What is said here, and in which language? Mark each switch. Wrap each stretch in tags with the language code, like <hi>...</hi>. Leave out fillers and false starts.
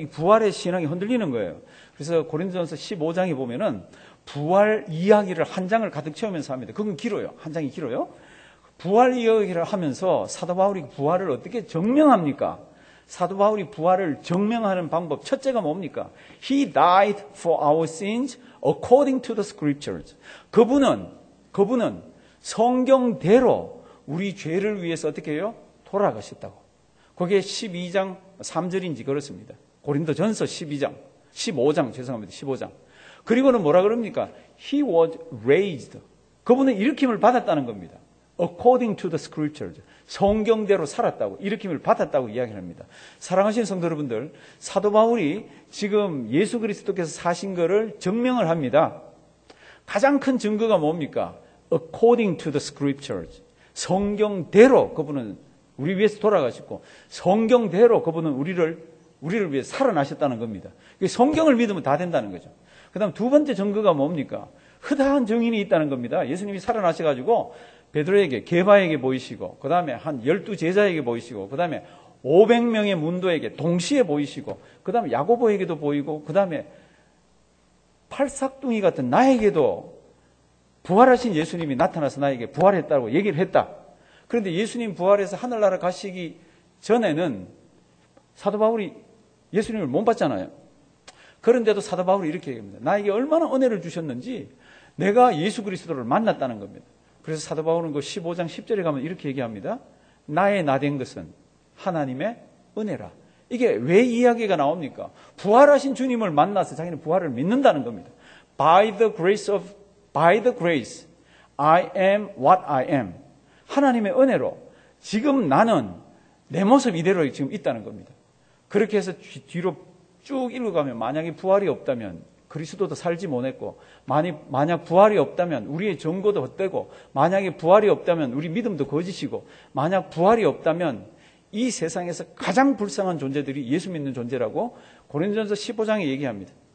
<ko>이 부활의 신앙이 흔들리는 거예요. 그래서 고린도전서 15장에 보면은 부활 이야기를 한 장을 가득 채우면서 합니다. 그건 길어요. 한 장이 길어요. 부활 이야기를 하면서 사도 바울이 부활을 어떻게 증명합니까? 사도 바울이 부활을 증명하는 방법 첫째가 뭡니까?</ko> <en>He died for our sins according to the scriptures.</en> <ko>그분은 성경대로 우리 죄를 위해서 어떻게 해요? 돌아가셨다고. 그게 12장 3절인지 그렇습니다. 고린도전서 12장, 15장 죄송합니다. 15장. 그리고는 뭐라 그럽니까?</ko> <en>He was raised.</en> <ko>그분은 일으킴을 받았다는 겁니다.</ko> <en>according to the scriptures.</en> <ko>성경대로 살았다고, 일으킴을 받았다고 이야기합니다. 사랑하신 성도 여러분들, 사도 바울이 지금 예수 그리스도께서 사신 것을 증명을 합니다. 가장 큰 증거가 뭡니까?</ko> <en>According to the scriptures.</en> <ko>성경대로 그분은 우리 위해서 돌아가셨고, 성경대로 그분은 우리를 위해 살아나셨다는 겁니다. 성경을 믿으면 다 된다는 거죠. 그 다음 두 번째 증거가 뭡니까? 허다한 증인이 있다는 겁니다. 예수님이 살아나셔가지고 베드로에게, 개바에게 보이시고, 그 다음에 한 열두 제자에게 보이시고, 그 다음에 500명의 문도에게 동시에 보이시고, 그 다음에 야고보에게도 보이고, 그 다음에 팔싹둥이 같은 나에게도 부활하신 예수님이 나타나서 나에게 부활했다고 얘기를 했다. 그런데 예수님 부활해서 하늘나라 가시기 전에는 사도 바울이 예수님을 못 봤잖아요. 그런데도 사도 바울이 이렇게 얘기합니다. 나에게 얼마나 은혜를 주셨는지 내가 예수 그리스도를 만났다는 겁니다. 그래서 사도 바울은 그 15장 10절에 가면 이렇게 얘기합니다. 나의 나된 것은 하나님의 은혜라. 이게 왜 이야기가 나옵니까? 부활하신 주님을 만나서 자기는 부활을 믿는다는 겁니다.</ko> <en>By the grace, I am what I am.</en> <ko>하나님의 은혜로 지금 나는 내 모습 이대로 지금 있다는 겁니다. 그렇게 해서 뒤로 쭉 읽어가면 만약에 부활이 없다면 그리스도도 살지 못했고, 만약 부활이 없다면 우리의 증거도 헛되고, 만약에 부활이 없다면 우리 믿음도 거짓이고, 만약 부활이 없다면 이 세상에서 가장 불쌍한 존재들이 예수 믿는 존재라고 고린도전서 15장에 얘기합니다.</ko>